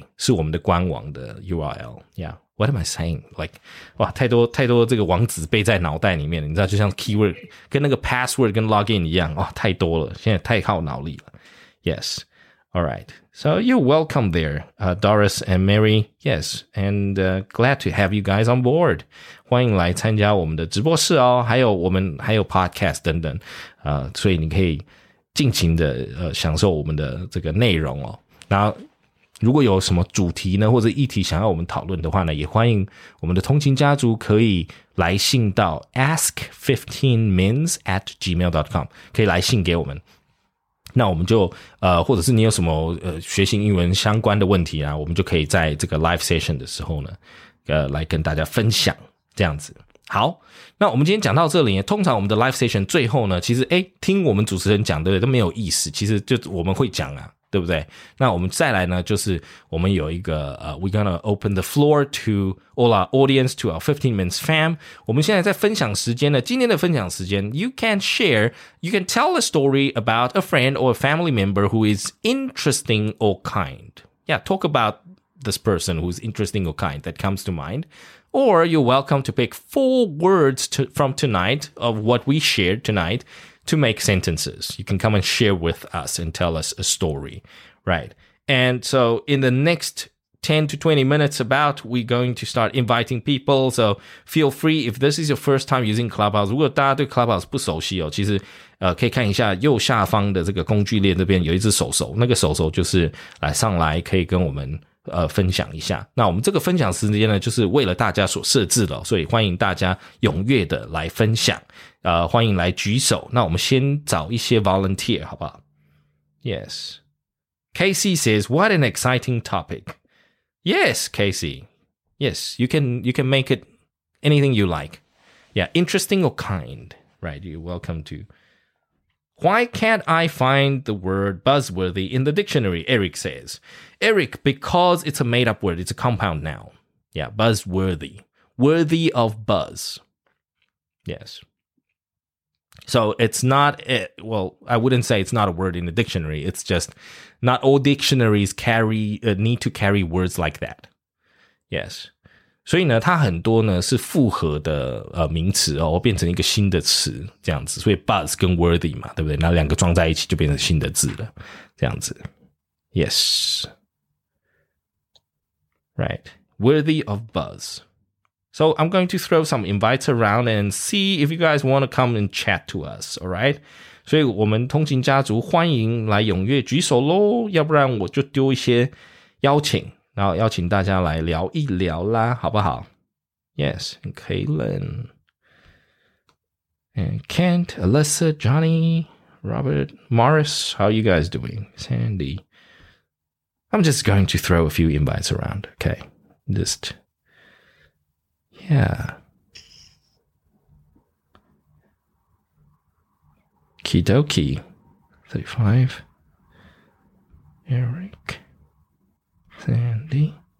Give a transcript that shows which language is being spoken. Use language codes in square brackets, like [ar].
[zh] 对，如果是新手的话呢，还第一次来参加的话呢，欢迎可以加入我们的通勤学英语的podcast。之后呢，你也可以来复习，透过我们的podcast来复习今天的session。那另外就是，这些这个在我们的官网呢，www.15mins.today， [en] sorry， [zh] www.15mins.today是我们的官网的URL，yeah。 [en] What am I saying? Like, [zh] 哇，太多这个网址背在脑袋里面，你知道，就像 keyword 跟那个 password 跟 login 一样，哦，太多了，现在太耗脑力了。 [en] Yes, all right. So you're welcome there, Doris and Mary. Yes, and glad to have you guys on board. [zh] 欢迎来参加我们的直播室哦，还有我们还有 podcast 等等，所以你可以尽情的享受我们的这个内容哦。然后。如果有什么主题呢，或者议题想要我们讨论的话呢， 也欢迎我们的通勤家族可以来信到 ask15mins@gmail.com， 可以来信给我们。那我们就或者是你有什么学习英文相关的问题啊， 我们就可以在这个live session的时候呢， 来跟大家分享这样子。好，那我们今天讲到这里， 通常我们的live session最后呢， 其实听我们主持人讲对不对都没有意思， 其实就我们会讲啊， 对不对? 那我们再来呢, 就是我们有一个, [en] we're going to open the floor to all our audience, to our 15 Minutes fam. [zh] 我们现在在分享时间呢, 今天的分享时间, [en] you can share, you can tell a story about a friend or a family member who is interesting or kind. Yeah, talk about this person who's interesting or kind that comes to mind. Or you're welcome to pick four words from tonight of what we shared tonight. To make sentences, you can come and share with us and tell us a story, right? And so in the next 10 to 20 minutes about, we're going to start inviting people. So feel free, if this is your first time using Clubhouse, [zh] 如果大家对Clubhouse不熟悉哦, 其实可以看一下右下方的这个工具列这边有一只手手, 那个手手就是来上来可以跟我们 分享一下，那我们这个分享时间呢，就是为了大家所设置的，所以欢迎大家踊跃的来分享，欢迎来举手。那我们先找一些volunteer，好不好？ [en] Yes, Casey says, "What an exciting topic!" Yes, Casey. Yes, you can make it anything you like. Yeah, interesting or kind, right? You're welcome to. Why can't I find the word buzzworthy in the dictionary? Eric says. Eric, because it's a made-up word. It's a compound noun. Yeah, buzzworthy. Worthy of buzz. Yes. So it's not, well, I wouldn't say it's not a word in the dictionary. It's just not all dictionaries carry, need to carry words like that. Yes. [zh] 所以呢它很多呢是复合的名词哦变成一个新的词这样子。所以 buzz 跟 worthy 嘛对不对那两个装在一起就变成新的字了这样子。 [en] Yes. Right. Worthy of buzz. So I'm going to throw some invites around and see if you guys want to come and chat to us, all right? [zh] 所以我们通勤家族欢迎来踊跃举手咯要不然我就丢一些邀请然后邀请大家来聊一聊啦好不好 [en] Yes, and Kaylin, and Kent, Alyssa, Johnny, Robert, Morris, how are you guys doing? Sandy. I'm just going to throw a few invites around, okay? Just... Yeah. Kidoki, 35. Eric. Sandy.